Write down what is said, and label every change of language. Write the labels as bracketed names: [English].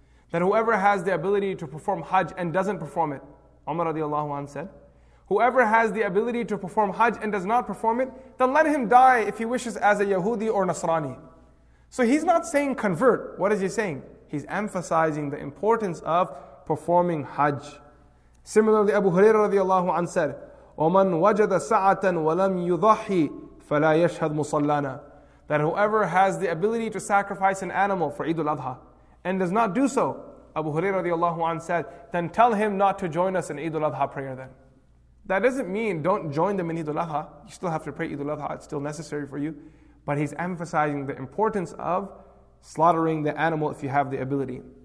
[English] That whoever has the ability to perform Hajj and doesn't perform it, Umar radiallahu an said, whoever has the ability to perform Hajj and does not perform it, then let him die if he wishes as a Yahudi or Nasrani. So he's not saying convert. What is he saying? He's emphasizing the importance of performing Hajj. Similarly, Abu Hurairah radiallahu an said, [Arabic] وَمَنْ وَجَدَ سَعَةً وَلَمْ يُضَحِّ فَلَا يَشْهَدْ مُصَلَّانَا. [English] that whoever has the ability to sacrifice an animal for Eid al-Adha and does not do so, Abu Hurairah radiallahu anhu said, then tell him not to join us in Eid al-Adha prayer then. That doesn't mean don't join them in Eid al-Adha. You still have to pray Eid al-Adha. It's still necessary for you. But he's emphasizing the importance of slaughtering the animal if you have the ability.